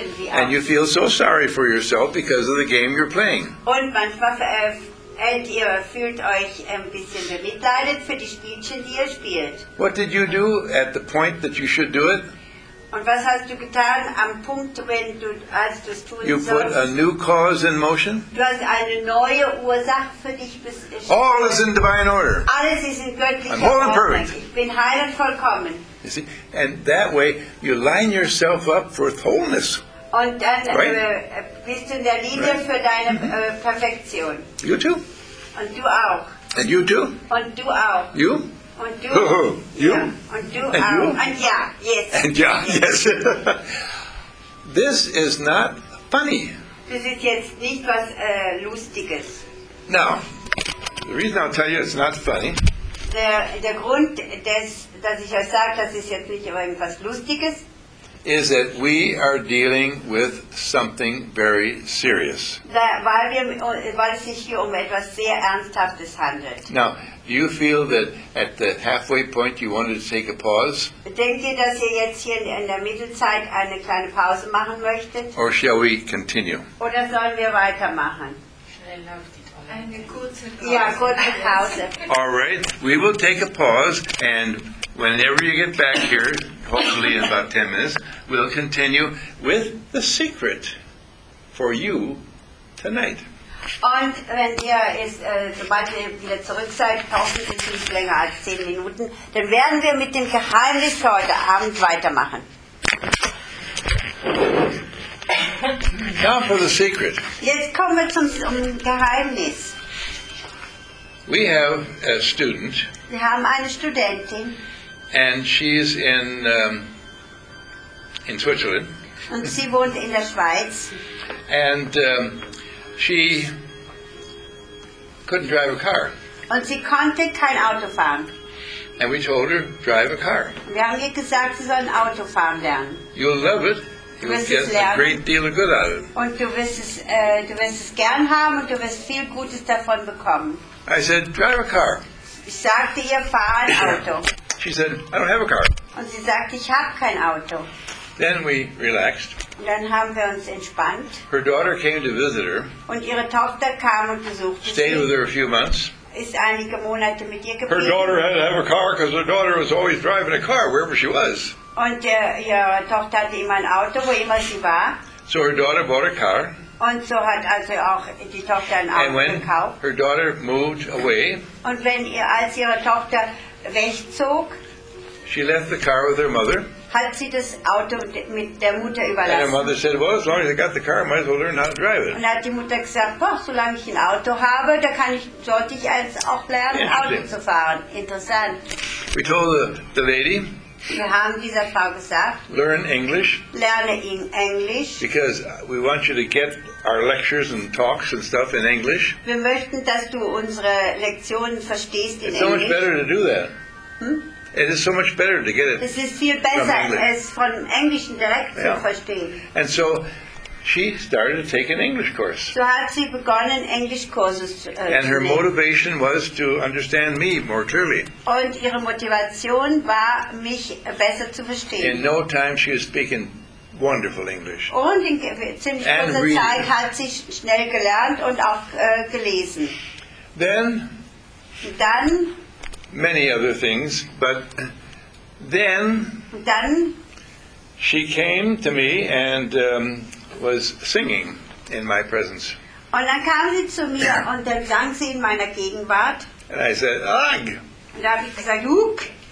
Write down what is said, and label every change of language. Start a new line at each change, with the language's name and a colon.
English: And you feel so sorry for yourself because of the game you're playing.
German: Und ihr fühlt euch ein bisschen bemitleidet für die Spielchen, die ihr spielt.
English: What did you do at the point that you should do it?
German: Und was hast du getan am Punkt, wenn du als du es tun sollst?
English: You put a new cause in motion.
German: Du hast eine neue Ursache für dich bestimmt.
English: All is in divine order.
German: Alles ist in göttlicher
English: Ordnung. I'm whole and perfect.
German: Ich bin heil und vollkommen.
English: You see? And that way you line yourself up for wholeness.
German: Und dann right? Bist du in der Linie right. Für deine Perfektion.
English: You too.
German: Und du auch.
English: And you too.
German: Und du auch.
English: You?
German: Und du,
English: you? Yeah. And you? And yeah, yes. And yeah, yes. This is not funny.
German: Das ist jetzt nicht was Lustiges.
English: Now, the reason I'll tell you it's not funny.
German: der Grund, des, dass ich euch sage, das ist jetzt nicht irgendwas Lustiges,
English: is that we are dealing with something very serious.
German: Weil es sich hier um etwas sehr Ernsthaftes handelt.
English: Now, do you feel that at the halfway point you wanted to take a pause?
German: Denkt ihr, dass ihr jetzt hier in der Mittelzeit eine kleine Pause machen möchtet?
English: Or shall we continue?
German: Oder sollen wir weitermachen? Eine kurze Pause.
English: All right, we will take a pause, and whenever you get back here, hopefully in about 10 minutes, we'll continue with the secret for you tonight.
German: Und wenn ihr es, sobald ihr wieder zurück seid, hoffentlich nicht länger als 10 Minuten, dann werden wir mit dem Geheimnis für heute Abend weitermachen.
English: Now for the secret.
German: Jetzt kommen wir zum Geheimnis.
English: We have a student.
German: Wir haben eine Studentin.
English: And she's in Switzerland.
German: Und sie wohnt in der Schweiz.
English: And she couldn't drive a car.
German: Und sie konnte kein Auto fahren.
English: And we told her, drive a car.
German: Wir haben ihr gesagt, sie soll ein Auto fahren lernen.
English: You'll love it. You
German: wirst
English: get
German: lernen.
English: A great deal of good out of it.
German: Und du wirst es gern haben und du wirst viel Gutes davon bekommen.
English: I said, drive a car.
German: Ich sagte ihr, fahr ein Auto.
English: She said, I don't have a car.
German: Und sie sagte, ich habe kein Auto.
English: Then we relaxed.
German: Und dann haben wir uns entspannt.
English: Her daughter came to visit her.
German: Und ihre Tochter kam und besuchte sie.
English: Stayed with her a few months.
German: Ist einige Monate mit ihr geblieben.
English: Her daughter had to have a car because her daughter was always driving a car wherever she was.
German: Und ihre Tochter hatte immer ein Auto, wo immer sie war.
English: So her daughter bought a car.
German: Und so hat also auch die Tochter ein Auto gekauft.
English: Her daughter moved away.
German: Und wenn ihr, als ihre Tochter wegzog,
English: she left the car with her mother.
German: Hat sie das Auto mit der Mutter überlassen.
English: And her mother said, well, as long as I got the car, I might as well learn how to drive it.
German: Und hat die Mutter gesagt, oh, solange ich ein Auto habe, da kann ich, sollte ich als auch lernen, Auto zu fahren. Interessant.
English: We told the lady,
German: wir haben dieser Frau gesagt,
English: learn English.
German: Lerne in Englisch.
English: Because we want you to get our lectures and talks and stuff in English.
German: Wir möchten, dass du unsere Lektionen verstehst in
English: It's It's so much better to do that. It is so much better to get it.
German: Es ist viel besser, es von Englischen direkt zu verstehen.
English: And so she started to take an English course.
German: So hat sie begonnen, Englischkurses zu nehmen.
English: And her motivation was to understand me more clearly.
German: Und ihre Motivation war, mich besser zu verstehen.
English: In no time she was speaking wonderful English.
German: Und in ziemlich
English: and
German: kurzer
English: reading.
German: Zeit hat sie schnell gelernt und auch gelesen.
English: Then,
German: dann,
English: many other things, but then,
German: dann,
English: she came to me and was singing in my presence.
German: Und dann kam sie zu mir und dann sang sie in meiner Gegenwart.
English: And I said, ugh!
German: Und da habe ich gesagt, huk!